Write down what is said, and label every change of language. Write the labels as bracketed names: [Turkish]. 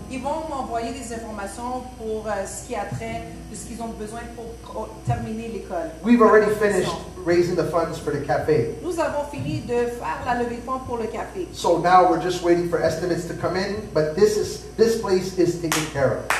[French] Ils vont m'envoyer des informations pour ce qui a trait de ce qu'ils ont besoin pour terminer l'école. [English] We've already finished raising the funds for the cafe. [French] Nous avons fini de faire la levée de fonds pour le café. [English] So now we're just waiting for estimates to come in, but this place is taken care of.